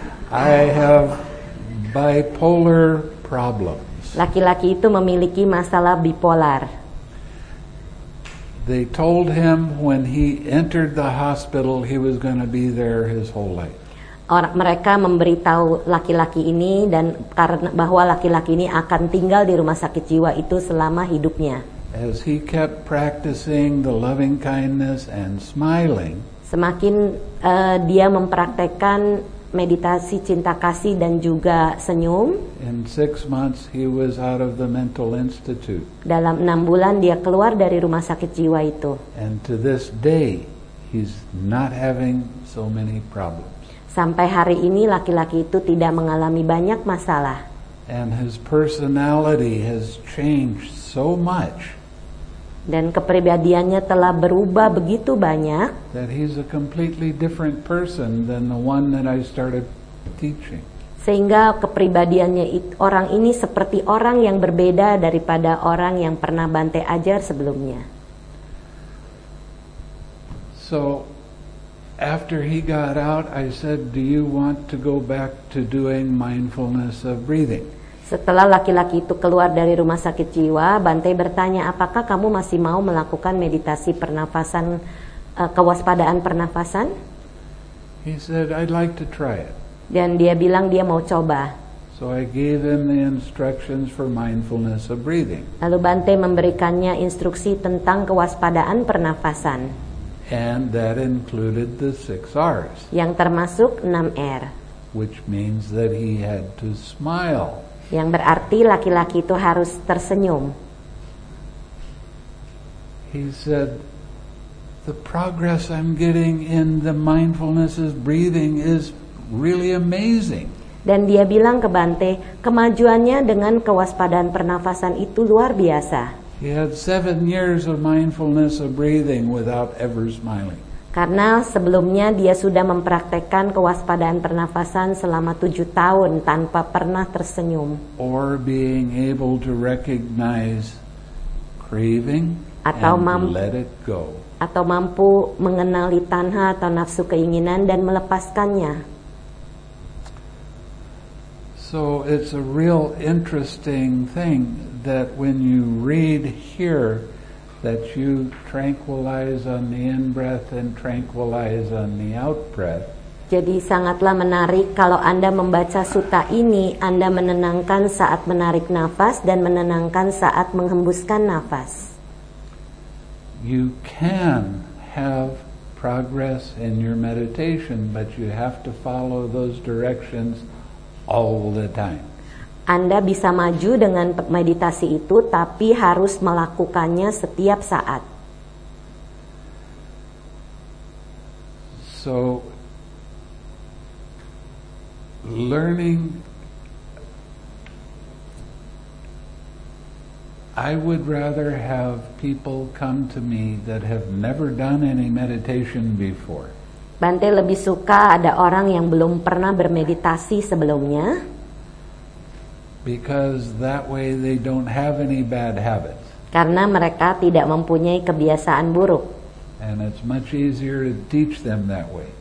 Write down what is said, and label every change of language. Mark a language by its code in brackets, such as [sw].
[en] I have bipolar problems. [id] Laki-laki itu memiliki masalah bipolar. [en] They told him when he entered the hospital he was going to be there his whole life. [id] Mereka memberitahu laki-laki ini dan karena bahwa laki-laki ini akan tinggal di rumah sakit jiwa itu selama hidupnya. [en] As he kept practicing the loving kindness and smiling. [id] Semakin dia mempraktekkan meditasi cinta kasih dan juga senyum. [en] In 6 months he was out of the mental institute. [id] Dalam 6 bulan dia keluar dari rumah sakit jiwa itu. [en] And to this day he's not having so many problems. [id] Sampai hari ini laki-laki itu tidak mengalami banyak masalah. [en] And his personality has changed so much. [id] Dan kepribadiannya telah berubah begitu banyak. [en] That he's a completely different person than the one that I started teaching. [id] Sehingga kepribadiannya orang ini seperti orang yang berbeda daripada orang yang pernah Bante ajar sebelumnya. [en] So after he got out, I said, "Do you want to go back to doing mindfulness of breathing?" [id] Setelah laki-laki itu keluar dari rumah sakit jiwa, Bante bertanya, "Apakah kamu masih mau melakukan meditasi pernafasan kewaspadaan pernafasan?" [en] He said, "I'd like to try it." [id] Dan dia bilang dia mau coba. [en] So I gave him the instructions for mindfulness of breathing. [id] Lalu Bante memberikannya instruksi tentang kewaspadaan pernafasan. [en] And that included the 6 R's. [id] Yang termasuk 6 R. [en] Which means that he had to smile. [id] Yang berarti laki-laki itu harus tersenyum. [en] He said, "The progress I'm getting in the mindfulness of breathing is really amazing." [id] Dan dia bilang ke Bante, kemajuannya dengan kewaspadaan pernafasan itu luar biasa. [en] He had 7 years of mindfulness of breathing without ever smiling. [id] Karena sebelumnya dia sudah mempraktekkan kewaspadaan pernafasan selama 7 tahun tanpa pernah tersenyum. [en] Or being able to recognize craving [id] atau [en] and let it go. [id] Atau mampu mengenali tanha atau nafsu keinginan dan melepaskannya. [en] So it's a real interesting thing that when you read here that you tranquilize on the in-breath and tranquilize on the out-breath. [id] Jadi sangatlah menarik kalau Anda membaca sutta ini, Anda menenangkan saat menarik nafas dan menenangkan saat menghembuskan nafas. [en] You can have progress in your meditation, but you have to follow those directions all the time. [id] Anda bisa maju dengan meditasi itu, tapi harus melakukannya setiap saat. [en] So, learning, I would rather have people come to me that have never done any meditation before. [id] Bante lebih suka ada orang yang belum pernah bermeditasi sebelumnya. [en] Because that way they don't have any bad habits. [id] Karena mereka tidak mempunyai kebiasaan buruk. [en] And it's much easier to teach them that way.